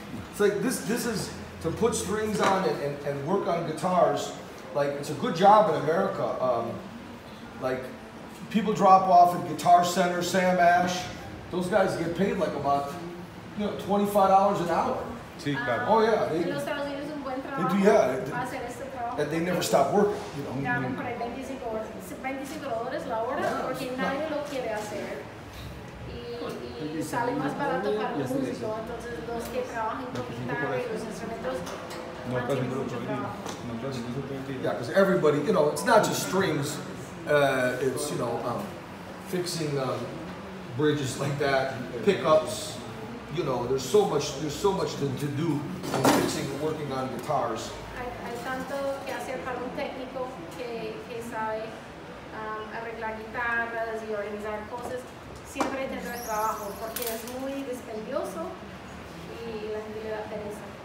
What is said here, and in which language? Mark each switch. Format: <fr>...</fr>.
<en>It's like this is to put strings on it and work on guitars. Like, it's a good job in America. Like, people drop off at Guitar Center, Sam Ash. Those guys get paid like about, you know, $25 an hour.</en> <es>Sí, claro.</es> <en>Oh yeah.</en> <es>En los Estados Unidos es un buen trabajo.</es> <en>Do, yeah.</en> <es>Hacer este trabajo.</es> <en>And they never stop working. You know.</en> <es>Ganan por ahí $25 la hora,</es> <en>yeah,</en> <es>porque nadie not, lo quiere hacer. Y sale más barato para los músicos. Entonces los que trabajan con guitarra y los instrumentos.</es> <en>Yeah, because everybody, you know, it's not just strings, it's, you know, fixing bridges like that, pickups, you know, there's so much to do in fixing and working on guitars.</en> <es>Hay tanto que hacer para un técnico que sabe arreglar guitarras y organizar cosas, siempre tener trabajo, porque es muy dispendioso y la gente le da pereza.</es>